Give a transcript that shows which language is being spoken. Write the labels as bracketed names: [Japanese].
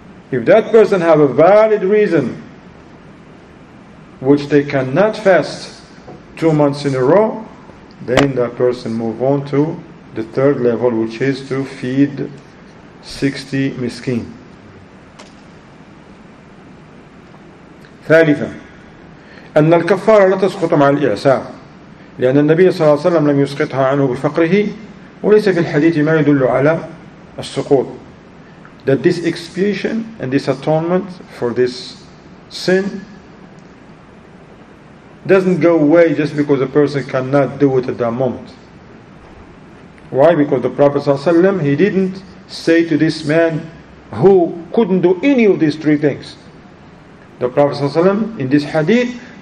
[English] If that person have a valid reason, which they cannot fast 2 months in a row, then that person move on to the third level, which is to feed 60 miskin. [Arabic] ثالثا أن الكفارة لا تسقط مع الإعسار لأن النبي صلى الله عليه وسلم لم يسقطها عنه بفقره وليس في الحديث ما يدل على السقوط. [English] That this expiation and this atonement for this sin doesn't go away just because a person cannot do it at that moment. Why? Because the Prophet ﷺ, he didn't say to this man who couldn't do any of these three things. The Prophet ﷺ, in this hadith,